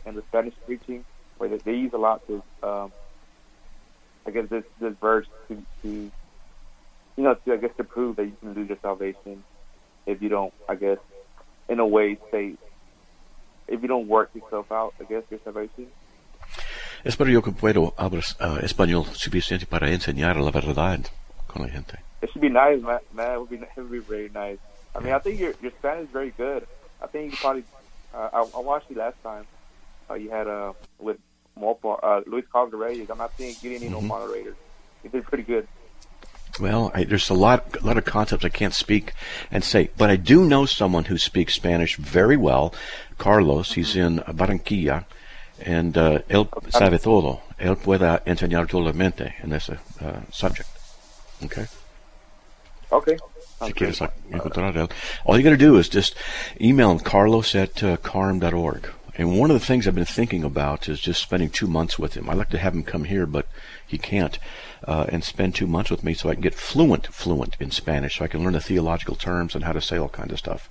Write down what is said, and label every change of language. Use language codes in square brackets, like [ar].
[en] In the Spanish preaching. Where they use a lot to, this verse to you know, to prove that you can lose your salvation if you don't, I guess, in a way, say, if you don't work yourself out, I guess, your salvation. [es] Espero yo que puedo hablar español suficiente para enseñar la verdad con la gente. [en] It should be nice, man. It would be very nice. I mean, I think your Spanish is very good. I think you probably, I watched you last time. You had with Luis Carlos Reyes. I'm not seeing you getting any no moderators. You did pretty good. Well, there's a lot of concepts I can't speak and say, but I do know someone who speaks Spanish very well, Carlos. He's in Barranquilla, and [es] él sabe todo. Él puede enseñar toda la mente en ese subject. [en] Okay? Okay. [es] Si quieres encontrar él. [en] All you got to do is just email him, carlos@carm.org. And one of the things I've been thinking about is just spending 2 months with him. I'd like to have him come here, but he can't. And spend 2 months with me so I can get fluent in Spanish, so I can learn the theological terms and how to say all kinds of stuff.